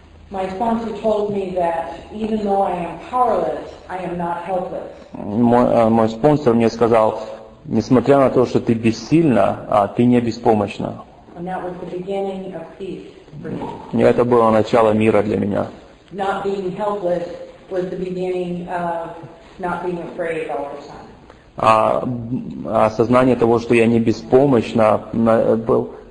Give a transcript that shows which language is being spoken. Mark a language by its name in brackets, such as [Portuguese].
[English] My sponsor told me that even though I am powerless, I am not helpless. [Russian] Мой спонсор мне сказал, несмотря на то, что ты бессильна, ты не беспомощна. [English] And that was the beginning of peace for me. [Russian] Это было начало мира для меня. [English] Not being helpless was the beginning of not being afraid all the time. [Russian] Осознание того, что я не беспомощна, был...